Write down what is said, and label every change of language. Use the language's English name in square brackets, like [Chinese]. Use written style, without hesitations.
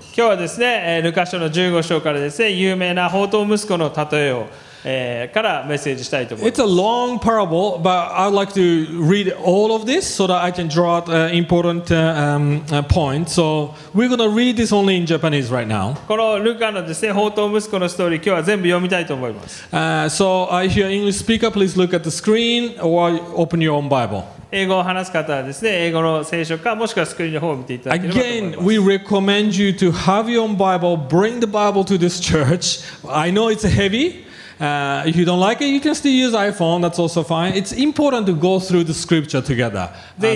[Japanese] 今日はですね、ルカ書の15章からですね、有名な放蕩息子の例えを、からメッセージしたいと思います。 [English] It's a long parable, but I'd like to read all of this so that I can draw out an important point. So we're going to read this only in Japanese right now. [Japanese] このルカのですね、放蕩息子のストーリー、今日は全部読みたいと思います。 [English] If you're an English speaker, please look at the screen or open your own Bible. [Japanese] 英語を話す方はですね、英語の聖書かもしくはスクリーンの方を見ていただければと思います。 [English] Again, we recommend you to have your own Bible. Bring the Bible to this church. I know it's heavy. If you don't like it, you can still use iPhone. That's also fine. It's important to go through the scripture together and